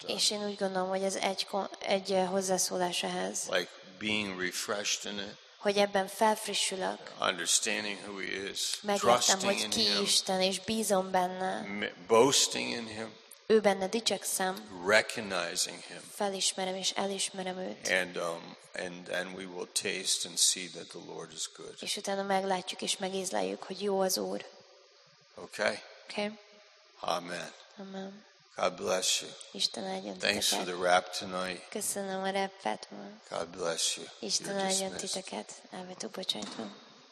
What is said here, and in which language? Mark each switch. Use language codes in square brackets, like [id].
[hu] És én úgy gondolom, hogy ez egy hozzászólás ehhez. [en] Like being refreshed in it. [hu] Hogy ebben felfrissülök. [en] Understanding who he is. [hu] Megértem, hogy ki Isten, és bízom benne. [en] Boasting in him. [hu] ő benne dicsekszem. [en] Recognizing him. [hu] Felismerem és elismerem őt. [en] And we will taste and see that the Lord is good. [hu] És utána meglátjuk és megízleljük, hogy jó az Úr. Okay. Okay. Amen. Amen. [en] God bless you. [hu] Isten áldjon titeket. [en] Thanks for the rap tonight. [hu] Köszönöm a rappet ma. [en] God bless you. [hu] Isten áldjon titeket. Elvetek, bocsánat.